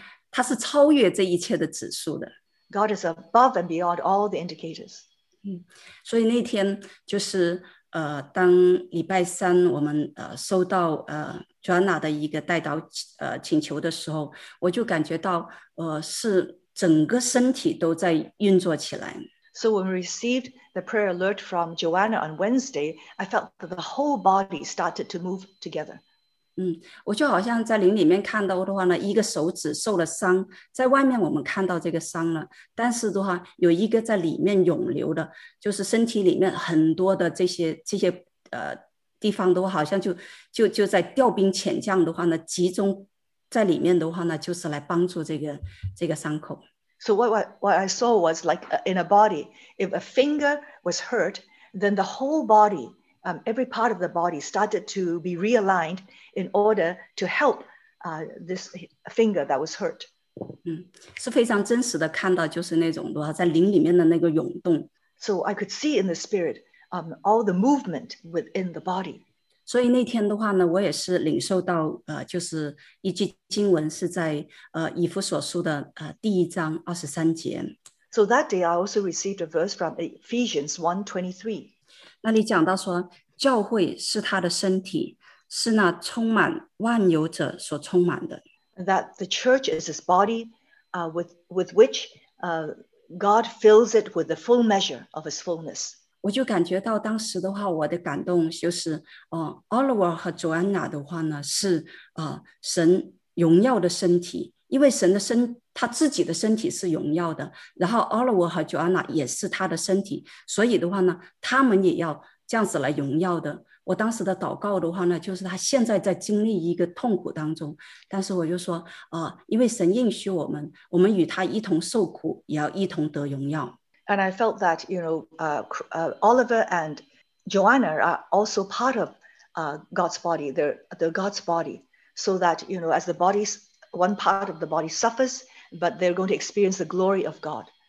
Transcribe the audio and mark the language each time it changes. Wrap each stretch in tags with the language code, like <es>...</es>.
<zh>他是超越这一切的指数的。</zh> <en>God is above and beyond all the indicators.</en> <zh>所以那天就是当礼拜三我们收到Joanna 的一个代祷请求的时候，我就感觉到是整个身体都在运作起来。</zh> <en>So when we received the prayer alert from Joanna on Wednesday, I felt that the whole body started to move together.</en> <zh>我就好像在灵里面看到的话呢，一个手指受了伤，在外面我们看到这个伤了，但是的话，有一个在里面涌流的，就是身体里面很多的这些地方都好像就在调兵遣将的话呢，集中在里面的话呢，就是来帮助这个伤口。</zh> <en>So what I saw was like in a body, if a finger was hurt, then the whole body, every part of the body started to be realigned in order to help this finger that was hurt.</en> <zh>是非常真实的看到就是那种的话在灵里面的那个涌动。</zh> <en>So I could see in the spirit all the movement within the body.</en> <zh>所以那天的话呢我也是领受到就是一句经文是在以弗所书的第一章二十三节。</zh> <en>So that day I also received a verse from Ephesians 1:23.</en> <zh>那里讲到说教会是他的身体，是那充满万有者所充满的。</zh> <en>That the church is his body, with which God fills it with the full measure of his fullness.</en> <zh>我就感觉到当时的话我的感动就是Oliver 和 Joanna 的话呢是神荣耀的身体，因为神的身他自己的身体是荣耀的，然后 Oliver 和 Joanna 也是他的身体，所以的话呢他们也要这样子来荣耀的。我当时的祷告的话呢就是他现在在经历一个痛苦当中，但是我就说因为神应许我们与他一同受苦也要一同得荣耀。</zh> <en>And I felt that, you know, Oliver and Joanna are also part of God's body. They're God's body. So that, you know, as the body, one part of the body suffers, but they're going to experience the glory of God.</en>